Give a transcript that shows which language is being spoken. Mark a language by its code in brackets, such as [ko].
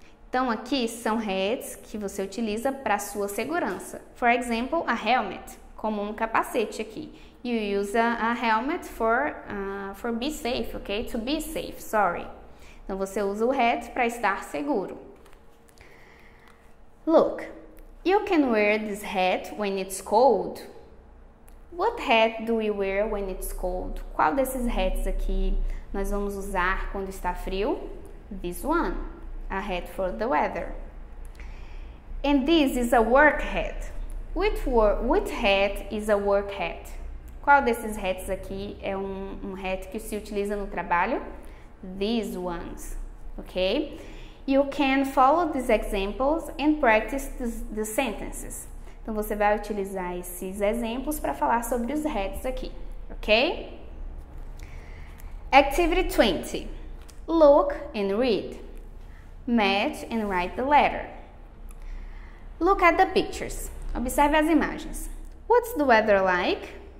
[pt] Então, aqui são heads que você utiliza para sua segurança. [en] For example, a helmet, [pt] como um capacete aqui. [en] You use a helmet for be safe, ok? To be safe, sorry. [pt] Então, você usa o head para estar seguro. [en] Look, you can wear this hat when it's cold. What hat do we wear when it's cold? [pt] Qual desses hats aqui nós vamos usar quando está frio? [en] This one, a hat for the weather. And this is a work hat. Which hat is a work hat? [pt] Qual desses hats aqui é um hat que se utiliza no trabalho? [en] These ones, ok? You can follow these examples and practice the sentences. [pt] Então, você vai utilizar esses exemplos para falar sobre os hats aqui, ok? [en] Activity 20. Look and read. Match and write the letter. Look at the pictures. [pt] Observe as imagens. [en] What's the weather like?